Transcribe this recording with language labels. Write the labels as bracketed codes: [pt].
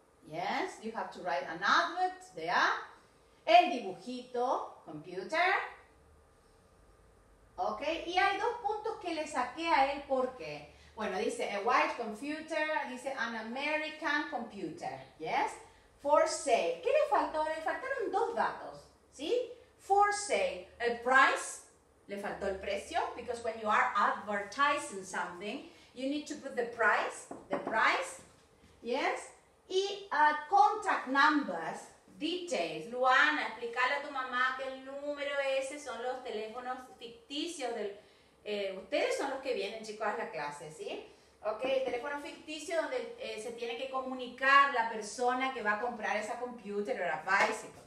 [en] Yes, you have to write an advert, there. [es] El dibujito, computer. Ok, y hay dos puntos que le saqué a él, ¿por qué? Bueno, dice [en] a white computer, dice an American computer, yes? For sale. [es] ¿Qué le faltó? Le faltaron dos datos, ¿sí? [en] For sale. [es] El price, le faltó el precio, [en] because when you are advertising something, you need to put the price, yes? Y contact numbers, details. [es] Luana, explícale a tu mamá que el número ese son los teléfonos ficticios del... ustedes son los que vienen, chicos, a la clase, ¿sí? Ok, el teléfono ficticio donde se tiene que comunicar la persona que va a comprar esa computer o la bicycle.